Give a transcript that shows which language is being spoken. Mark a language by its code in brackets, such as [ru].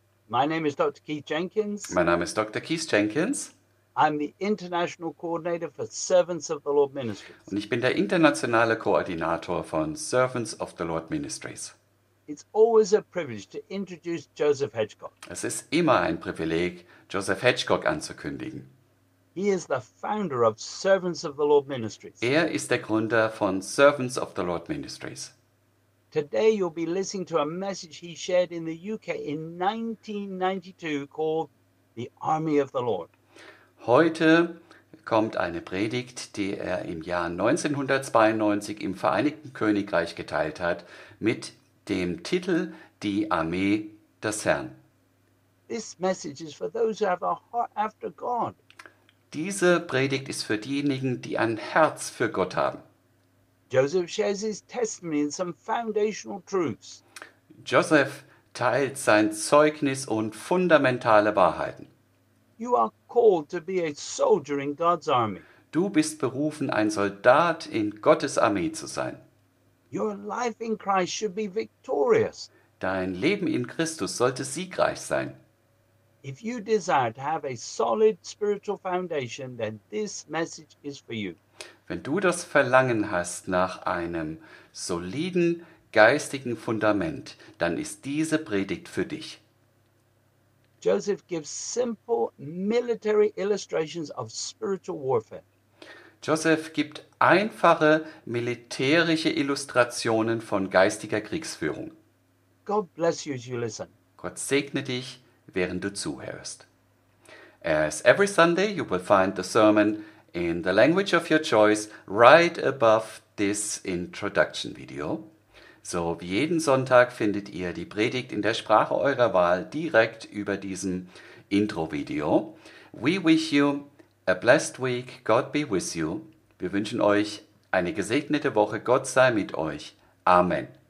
[en] My name is Dr. Keith Jenkins. [de] Mein Name ist Dr. Keith Jenkins. [en] I'm the International Coordinator for Servants of the Lord Ministries. [de] Und ich bin der internationale Koordinator von Servants of the Lord Ministries. [en] It's always a privilege to introduce Joseph Hedgecock. [de] Es ist immer ein Privileg, Joseph Hedgecock anzukündigen. [en] He is the founder of Servants of the Lord Ministries. [de] Er ist der Gründer von Servants of the Lord Ministries. [en] Today you'll be listening to a message he shared in the UK in 1992 called The Army of the Lord. [de] Heute kommt eine Predigt, die er im Jahr 1992 im Vereinigten Königreich geteilt hat, mit dem Titel Die Armee des Herrn. [en] This message is for those who have a heart after God. [de] Diese Predigt ist für diejenigen, die ein Herz für Gott haben. [en] Joseph shares his testimony and some foundational truths. [de] Joseph teilt sein Zeugnis und fundamentale Wahrheiten. [en] You are called to be a soldier in God's army. [de] Du bist berufen, ein Soldat in Gottes Armee zu sein. [en] Your life in Christ should be victorious. [de] Dein Leben in Christus sollte siegreich sein. [en] If you desire to have a solid spiritual foundation, then this message is for you. [de] Wenn du das Verlangen hast nach einem soliden geistigen Fundament, dann ist diese Predigt für dich. [en] Joseph gives simple military illustrations of spiritual warfare. [de] Joseph gibt einfache militärische Illustrationen von geistiger Kriegsführung. [en] God bless you as you listen. [de] Gott segne dich, während du zuhörst. [en] As every Sunday, you will find the sermon in the language of your choice right above this introduction video. [de] So wie jeden Sonntag findet ihr die Predigt in der Sprache eurer Wahl direkt über diesem Intro-Video. [en] We wish you a blessed week. God be with you. [de] Wir wünschen euch eine gesegnete Woche. Gott sei mit euch. Amen.